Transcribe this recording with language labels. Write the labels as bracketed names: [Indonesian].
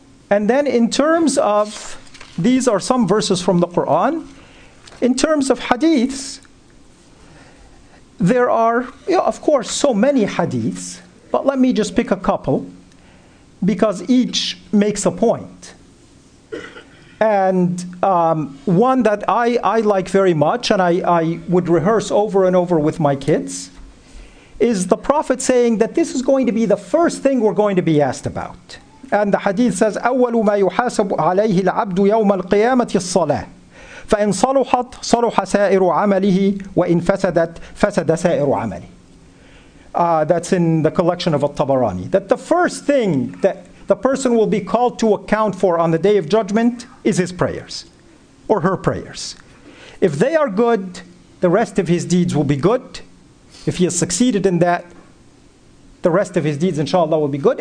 [English] And then in terms of, these are some verses from the Quran, in terms of hadiths, there are, you know, of course, so many hadiths, but let me just pick a couple, because each makes a point. And one that I like very much, and I would rehearse over and over with my kids, is the Prophet saying that this is going to be the first thing we're going to be asked about. [Arabic] And the hadith says, أَوَّلُ مَا يُحَاسَبُ عَلَيْهِ الْعَبْدُ يَوْمَ الْقِيَامَةِ الصَّلَاةِ فَإِنْ صَلُحَتْ صَلُحَ سَائِرُ عَمَلِهِ وَإِنْ فَسَدَتْ فَسَدَ سَائِرُ عَمَلِهِ. [English] That's in the collection of At-Tabarani. That the first thing that the person will be called to account for on the Day of Judgment is his prayers, or her prayers. If they are good, the rest of his deeds will be good. If he has succeeded in that, the rest of his deeds, inshallah, will be good.